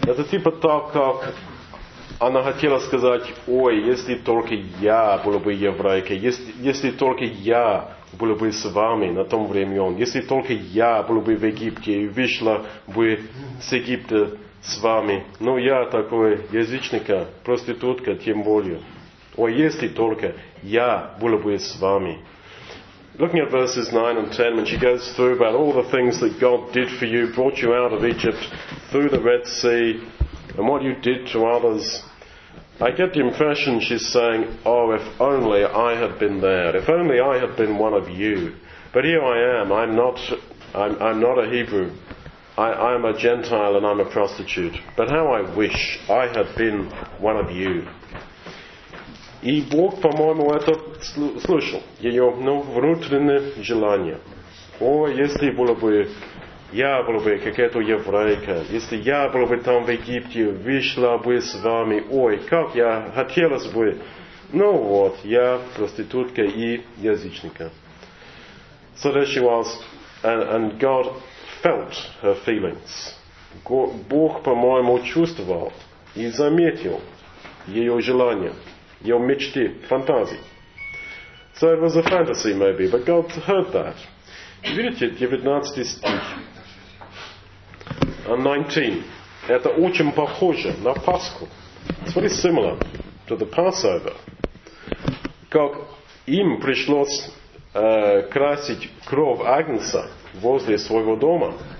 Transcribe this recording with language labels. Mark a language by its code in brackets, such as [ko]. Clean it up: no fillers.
[ru] Это типа так, как она хотела сказать: ой, если только я была бы еврейкой, если только я была бы с вами на том времени, если только я была бы в Египте и вышла бы с Египта с вами. Ну, я такой язычник, проститутка, тем более. Ой, если только я была бы с вами. [en] Looking at verses 9 and 10, when she goes through about all the things that God did for you, brought you out of Egypt, through the Red Sea, and what you did to others, I get the impression she's saying, oh, if only I had been there, if only I had been one of you. But here I am, I'm not a Hebrew, I'm a Gentile and I'm a prostitute, but how I wish I had been one of you. [ru] И Бог, по-моему, это слышал, ее внутреннее желание. О, если было бы, я была бы какая-то еврейка, если я была бы там в Египте, вышла бы с вами, ой, как я хотелось бы. Ну вот, я проститутка и язычника. [en] So there she was, and God felt her feelings. [ru] Бог, по-моему, чувствовал и заметил ее желание. [en] Your [ru] мечты, фантазии. [en] So it was a fantasy, maybe, but God heard that. [ru] Видите, 19 стих. 19. Это очень похоже на Пасху. [en] It's very similar to the Passover. [ru] Как им пришлось красить кровь Агнца возле своего дома.